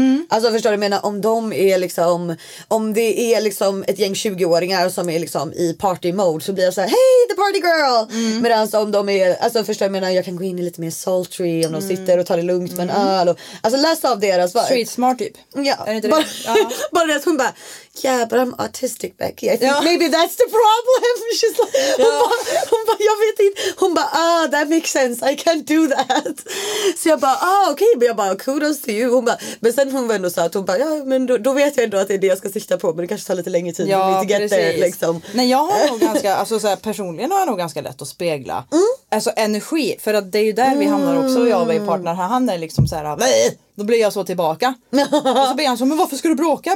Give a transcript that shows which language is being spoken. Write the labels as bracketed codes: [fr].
[sv] Alltså förstår du, jag menar om de är liksom, om det är liksom ett gäng 20-åringar som är liksom i party mode, så blir jag så här, [en] hey the party girl. [sv] Men alltså om de är, alltså förstår du, jag menar, jag kan gå in i lite mer sultry om de sitter och tar det lugnt med en öl och, alltså läsa av deras vibe. Street smart typ. Ja. Är det inte bara det att hon bara, [en] yeah but I'm autistic Becky, I think maybe that's the problem. She's like, [sv] hon bara jag vet inte. Hon bara, [en] ah that makes sense, I can't do that. [sv] Så jag bara, ah okej, men jag bara, kudos till you. Hon bara, men sen hon var ändå så att hon bara, ja men då vet jag ändå att det är det jag ska sikta på, men det kanske tar lite längre tid. Ja, lite gettare, precis. Liksom. Nej, jag har nog ganska, alltså så här, personligen har jag nog ganska lätt att spegla. Alltså energi, för att det är ju där vi hamnar också, jag och min partner. Han är liksom så här, nej! Då blir jag så tillbaka. Och så blir han så, men varför ska du bråka?